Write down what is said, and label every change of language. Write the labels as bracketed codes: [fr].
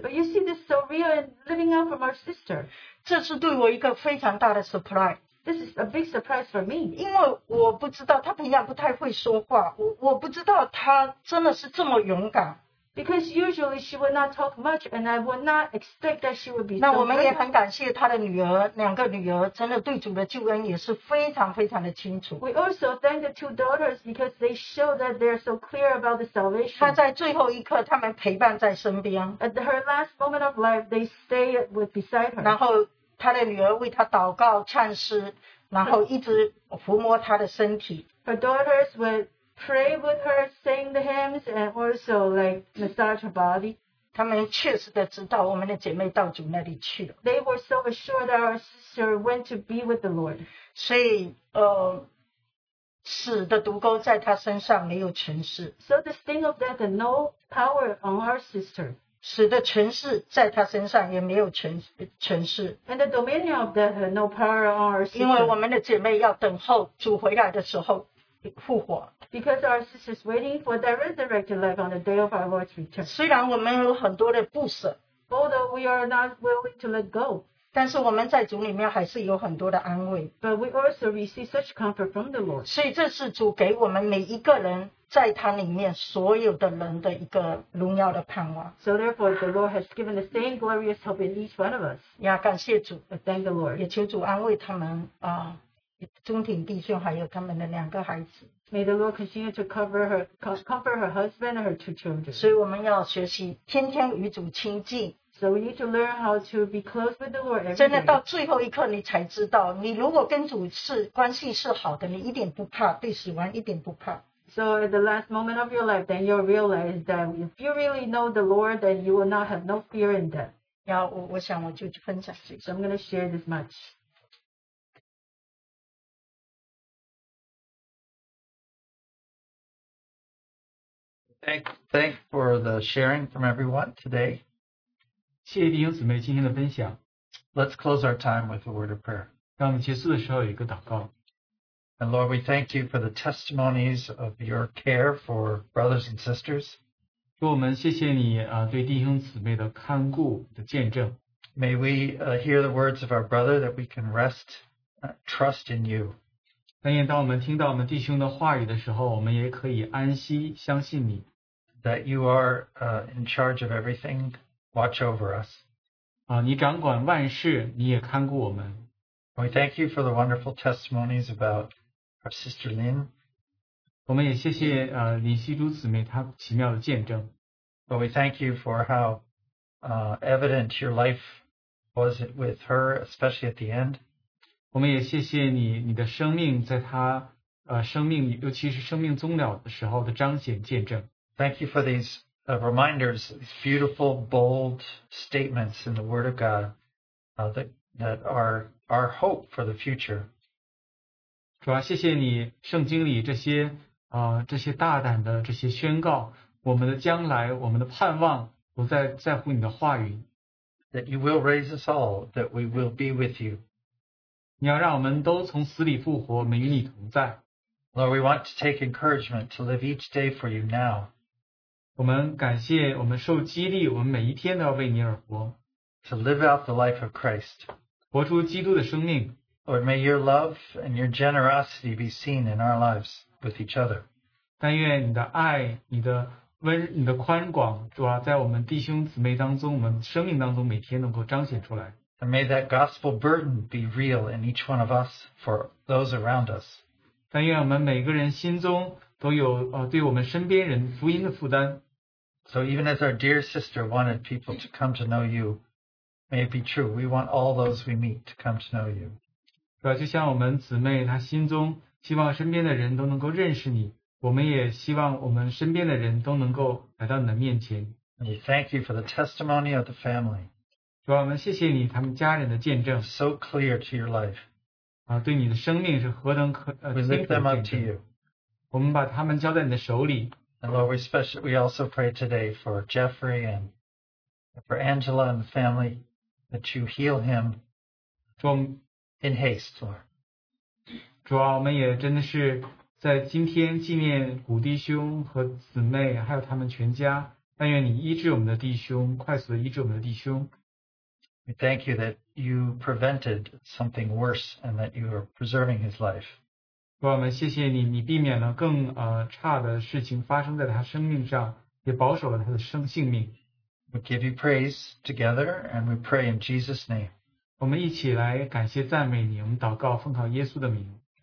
[en] But you see this so real and living out from our sister. [zh] 这是对我一个非常大的 [en] surprise. This is a big surprise for me. [zh] 因为我不知道他平常不太会说话，我不知道他真的是这么勇敢。 [en] Because usually she would not talk much, and I would not expect that she would be. [zh] 那我们也很感谢她的女儿，两个女儿真的对主的救恩也是非常非常的清楚。 [en] We also thank the two daughters because they show that they're so clear about the salvation. [zh] 她在最后一刻，她们陪伴在身边。 [en] At her last moment of life, they stayed with beside her. [zh] 然后她的女儿为她祷告、唱诗，然后一直抚摸她的身体。 [en] Her daughters would pray with her, sing the hymns, and also like massage her body. [zh] 她们确实的知道我们的姐妹到主那里去了。 [en] They were so assured that our sister went to be with the Lord. [zh] 所以，死的毒钩在她身上没有权势。 [en] So the sting of death had no power on our sister. [zh] 死的权势在他身上也没有权势。 [en] And the dominion of death had no power on our sister. [zh] 因为我们的姐妹要等候主回来的时候复活。 [en] Because our sisters waiting for their resurrected life on the day of our Lord's return. [zh] 虽然我们有很多的不舍。 [en] Although we are not willing to let go. [zh] 但是我们在主里面还是有很多的安慰。 [en] But we also receive such comfort from the Lord. [zh] 所以这是主给我们每一个人在他里面所有的人的一个荣耀的盼望。 [en] So therefore, the Lord has given the same glorious hope in each one of us. [zh] 呀，感谢主。 [en] Thank the Lord. [zh] 也求主安慰他们啊，中庭弟兄还有他们的两个孩子。 [en] May the Lord continue to comfort her husband and her two children. [zh] 所以我们要学习天天与主亲近。 [en] So we need to learn how to be close with the Lord every day. [zh] 真的到最后一刻你才知道，你如果跟主是关系是好的，你一点不怕，对死亡一点不怕。 [en] So at the last moment of your life, then you'll realize that if you really know the Lord, then you will not have no fear in death. [zh] Yeah, 我想我就分享。 [en] So I'm going to share this much. Thanks for the sharing from everyone today. [zh] 谢谢弟兄姊妹今天的分享。 [en] Let's close our time with a word of prayer. [zh] 让我们结束的时候有一个祷告。 [en] And Lord, we thank you for the testimonies of your care for brothers and sisters. [zh] 主，我们谢谢你啊，对弟兄姊妹的看顾的见证。 [en] May we hear the words of our brother that we can rest trust in you. [zh] 但愿当我们听到我们弟兄的话语的时候，我们也可以安息相信你。 [en] That you are in charge of everything, watch over us. [zh] 啊，你掌管万事，你也看顾我们。 [en] We thank you for the wonderful testimonies about our sister Lin. [zh] 我们也谢谢林希珠姊妹她奇妙的见证。 [en] But we thank you for how evident your life was with her, especially at the end. [zh] 我们也谢谢你的生命在她生命尤其是生命终了的时候的彰显见证。 [en] Thank you for these reminders, these beautiful, bold statements in the Word of God that are our hope for the future. [zh] 主啊，谢谢你圣经里这些这些大胆的这些宣告，我们的将来，我们的盼望，不再在乎你的话语。 [en] That you will raise us all, that we will be with you. [zh] 你要让我们都从死里复活，我们与你同在。 [en] Lord, we want to take encouragement to live each day for you now. [zh] 我们感谢，我们受激励，我们每一天都要为你而活。 [en] To live out the life of Christ. [zh] 活出基督的生命。 [en] Lord, may your love and your generosity be seen in our lives with each other. [zh] 但愿你的爱、你的宽广，主啊，在我们弟兄姊妹当中、我们生命当中每天能够彰显出来。 [en] And may that gospel burden be real in each one of us for those around us. [zh] 但愿我们每个人心中都有对我们身边人福音的负担。 [en] So even as our dear sister wanted people to come to know you,May it be true. We want all those we meet to come to know you. [zh] 主啊，就像我们姊妹她心中希望身边的人都能够认识你，我们也希望我们身边的人都能够来到你的面前。 [en] We thank you for the testimony of the family. [zh] 主啊，我们谢谢你他们家人的见证。 [en] So clear to your life. [zh] 啊，对你的生命是何等可 [en] We lift them up to you. [zh] 我们把他们交在你的手里。 [en] And Lord, we also pray today for Jeffrey and. For Angela and the family, that you heal him in haste, Lord. [zh] 主啊，我们也真的是在今天纪念古弟兄和姊妹，还有他们全家。但愿你医治我们的弟兄，快速的医治我们的弟兄。 [en] We thank you that you prevented something worse and that you are preserving his life. [zh] 我们谢谢你，你避免了更差的事情发生在他生命上，也保守了他的生性命。 [en] We give you praise together and we pray in Jesus' name. [zh] 我们一起来感谢赞美你，我们祷告奉靠耶稣的名。